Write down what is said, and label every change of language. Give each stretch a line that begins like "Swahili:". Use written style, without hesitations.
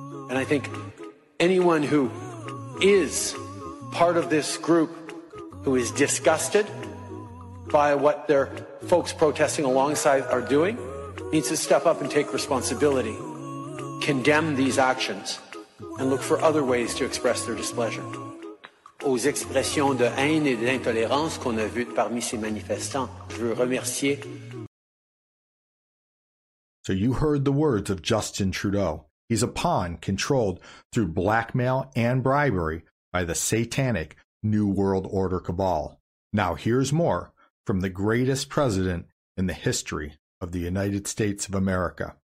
English: And I think anyone who is part of this group who is disgusted by what their folks protesting alongside are doing needs to step up and take responsibility, condemn these actions, and look for other ways to express their displeasure.
French: Aux expressions de haine et d'intolérance qu'on a vues parmi ces manifestants, je veux remercier.
English: So you heard the words of Justin Trudeau. He's a pawn controlled through blackmail and bribery by the satanic New World Order cabal. Now here's more from the greatest president in the history of the United States of America.